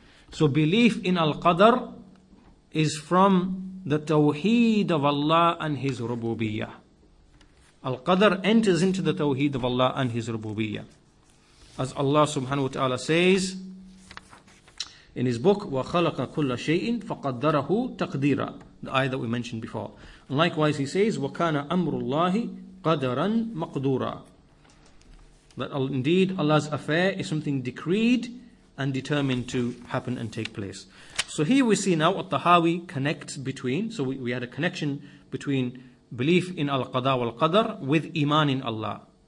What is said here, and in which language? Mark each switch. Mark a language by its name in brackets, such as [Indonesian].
[English] So belief in al-qadr is from the tawheed of Allah and his rububiyyah. Al-Qadr enters into the Tawheed of Allah and His Rububiyyah. As Allah subhanahu wa ta'ala says in His book, [Arabic] وَخَلَقَ كُلَّ شَيْءٍ فَقَدَّرَهُ تَقْدِيرًا. [English] The ayah that we mentioned before. And likewise He says, [Arabic] وَكَانَ أَمْرُ اللَّهِ قَدَرًا مَقْدُورًا. [English] That indeed Allah's affair is something decreed and determined to happen and take place. So here we see now At-Tahawi connects between, so we had a connection between belief in al-qada wal-qadr with iman in Allah.